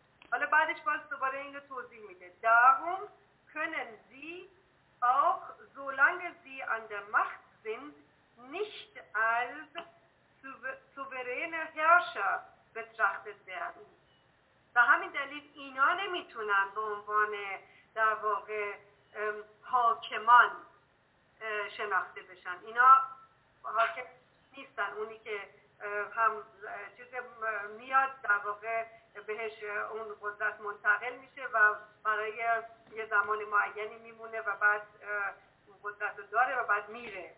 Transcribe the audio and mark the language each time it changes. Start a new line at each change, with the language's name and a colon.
Persian: حالا بعدش باز دوباره اینو توضیح میده.
German: Darum können sie auch solange sie an der Macht sind nicht als souveräne Herrscher betrachtet werden.
Persian: و همین دلیل اینا نمیتونن به عنوان در واقع حاکمان شناخته بشن. اینا حاکم نیستن، اونی که هم چیزی میاد در واقع بهش اون قدرت منتقل میشه و برای یه زمان معینی میمونه و بعد قدرت رو داره و بعد میره.